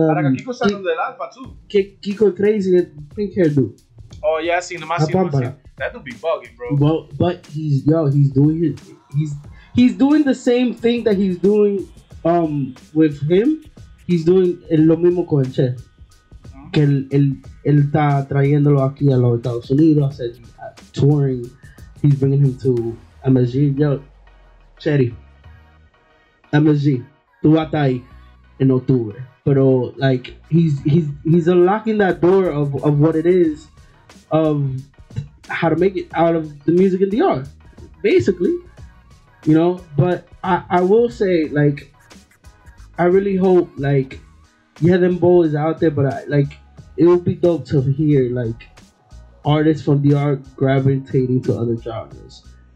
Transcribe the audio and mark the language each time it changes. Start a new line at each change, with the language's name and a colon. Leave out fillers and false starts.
Spanish: Haraka Kiko está hablando del Alfa, too.
English: Que Kiko es crazy, el pink hair dude. Oh, yeah, I seen him. I seen him. That dude be bugging, bro. Well, but he's, yo, he's doing it. He's doing the same thing that he's doing with him. He's doing
Spanish: lo mismo con el Che. Que él está trayéndolo aquí a los Estados Unidos, el, touring.
English: He's bringing him to MSG.
Spanish: Yo, Cherry, MSG, tú vas a estar ahí en octubre.
English: Pero, like, he's unlocking that door of what it is, of how to make it out of the music in the art, basically. You know, but I will say, like, I really hope, like, yeah, them boys is out there, but, it would be dope to hear, like, artists from DR gravitating to other genres.